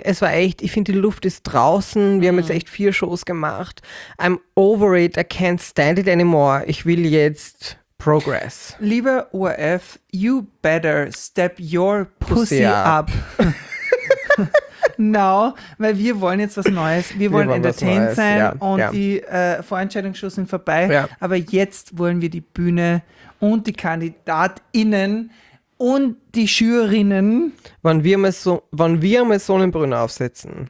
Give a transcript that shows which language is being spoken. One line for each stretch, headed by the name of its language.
German: Es war echt, ich finde, die Luft ist draußen. Wir haben jetzt echt 4 Shows gemacht.
English: I'm over it. I can't stand it anymore.
German: Ich will jetzt progress. Lieber ORF,
English: you better step your pussy up.
German: Genau, weil wir wollen jetzt was Neues. Wir wollen entertained Neues, sein ja, und ja. Die Vorentscheidungsshows sind vorbei. Ja. Aber jetzt wollen wir die Bühne und die KandidatInnen und die JurInnen. Wenn wir mal so einen Brunnen aufsetzen.